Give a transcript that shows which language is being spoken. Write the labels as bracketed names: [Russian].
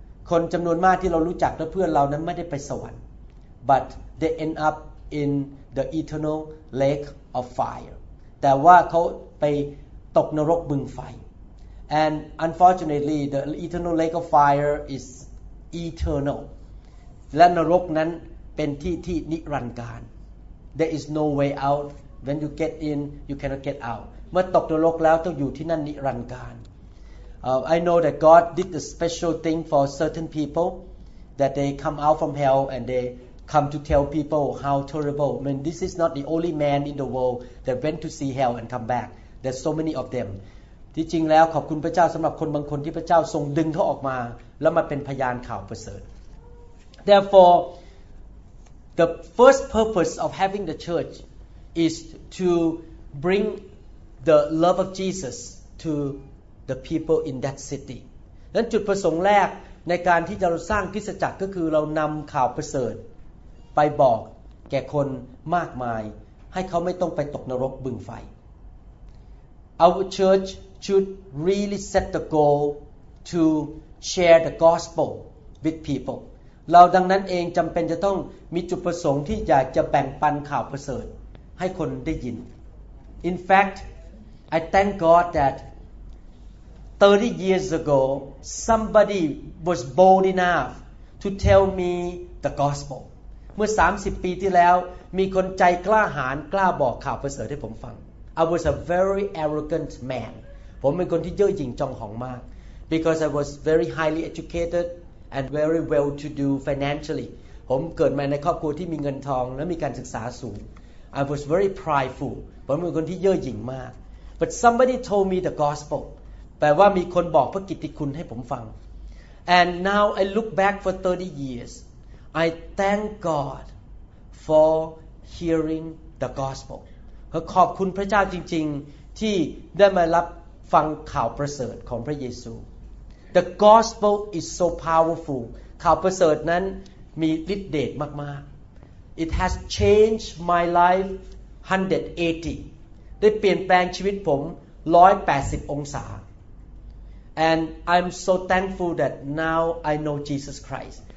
[Thai] คนจำนวนมากที่เรารู้จักและเพื่อนเรานั้นไม่ได้ไปสวรรค์ [English] But they end up in the eternal lake of fire. [Thai] แต่ว่าเขาไปตกนรกบึงไฟ [English] And unfortunately, the eternal lake of fire is eternal. [Thai] และนรกนั้นเป็นที่ที่นิรันดร์การ [English] There is no way out when you get in you cannot get out [Thai] เมื่อตกนรกแล้วต้องอยู่ที่นั่นนิรันดร์การ [English] I know that God did a special thing for certain people that they come out from hell and they come to tell people how terrible I mean this is not the only man in the world that went to see hell and come back there's so many of them [Thai] ที่จริงแล้วขอบคุณพระเจ้าสำหรับคนบางคนที่พระเจ้าทรงดึงเขาออกมาแล้วมาเป็นพยานข่าวประเสริฐ [English] Therefore, the first purpose of having the church is to bring the love of Jesus to the people in that city. [Thai] นั้นจุดประสงค์แรกในการที่จะสร้างคริสตจักรก็คือเรานำข่าวประเสริฐไปบอกแก่คนมากมายให้เขาไม่ต้องไปตกนรกบึงไฟ [English] Our church should really set the goal to share the gospel with people. [Thai] เราดังนั้นเองจำเป็นจะต้องมีจุดประสงค์ที่อยากจะแบ่งปันข่าวประเสริฐให้คนได้ยิน [English] In fact, I thank God that 30 years ago, somebody was bold enough to tell me the gospel. [Thai] เมื่อ30ปีที่แล้วมีคนใจกล้าหาญกล้าบอกข่าวประเสริฐให้ผมฟัง [English] I was a very arrogant man. [Thai] ผมเป็นคนที่เย่อหยิ่งจองหองมาก [English] because I was very highly educated. And very well to do financially. [Thai] ผมเกิดมาในครอบครัวที่มีเงินทองและมีการศึกษาสูง [English] I was very prideful. [Thai] ผมเป็นคนที่เย่อหยิ่งมาก [English] But somebody told me the gospel. [Thai] แปลว่ามีคนบอกพระกิตติคุณให้ผมฟัง [English] And now I look back for 30 years. I thank God for hearing the gospel. [Thai] ขอขอบคุณพระเจ้าจริงๆที่ได้มารับฟังข่าวประเสริฐของพระเยซู [English] The gospel is so powerful. [Thai] ข่าวประเสริฐนั้นมีฤทธิ์เดชมากๆ [English] It has changed my life 180. [Thai] ได้เปลี่ยนแปลงชีวิตผม180องศา [English] And I'm so thankful that now I know Jesus Christ.